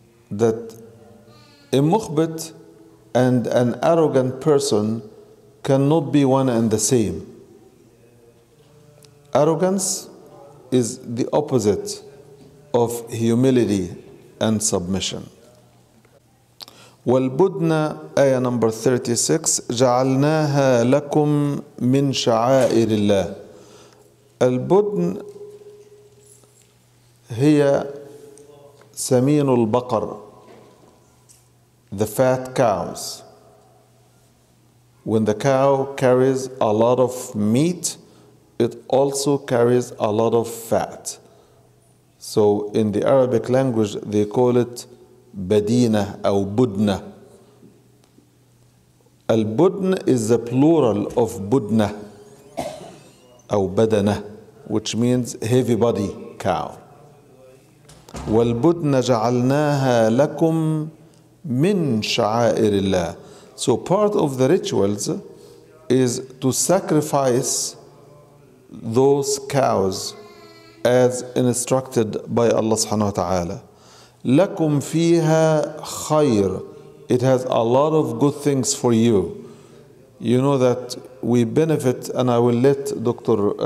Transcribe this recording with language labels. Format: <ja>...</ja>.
<en>That a مخبت and an arrogant person cannot be one and the same. Arrogance is the opposite of humility and submission.</en> <ar>والبدنة,</ar> <en>ayah number 36,</en> <ar>جعلناها لكم من شعائر الله. البدن هي سمين البقر,</ar> <en>the fat cows. When the cow carries a lot of meat, it also carries a lot of fat. So in the Arabic language, they call it badina or budna. Al-budn is the plural of budna or badana, which means heavy body cow.</en> <ar>والبدن جعلناها لكم من شعائر الله.</ar> <en>So part of the rituals is to sacrifice those cows as instructed by Allah subhanahu wa ta'ala.</en> <ar>لَكُمْ فِيهَا خَيْرٌ.</ar> <en>It has a lot of good things for you. You know that we benefit, and I will let Dr.</en>